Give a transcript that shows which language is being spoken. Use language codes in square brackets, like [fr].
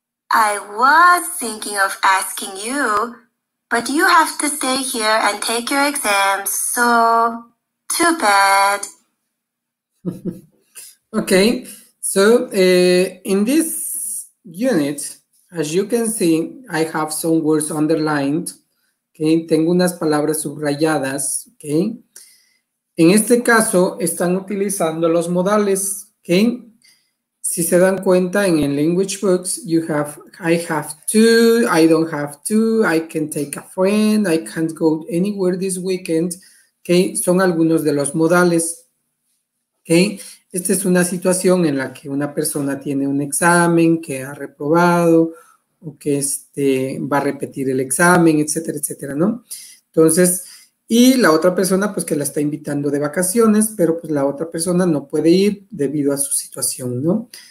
[en] I was thinking of asking you, but you have to stay here and take your exams, so too bad. Okay. So, in this unit, as you can see, I have some words underlined. [es] Okay, tengo unas palabras subrayadas. Okay, en este caso están utilizando los modales. [en] Okay, [es] si se dan cuenta en el [en] language books, you have I have to, I don't have to, I can take a friend, I can't go anywhere this weekend. [es] Okay, son algunos de los modales. Okay. Esta es una situación en la que una persona tiene un examen que ha reprobado o que va a repetir el examen, etcétera, etcétera, ¿no? Entonces, y la otra persona, pues, que la está invitando de vacaciones, pero, pues, la otra persona no puede ir debido a su situación, ¿no?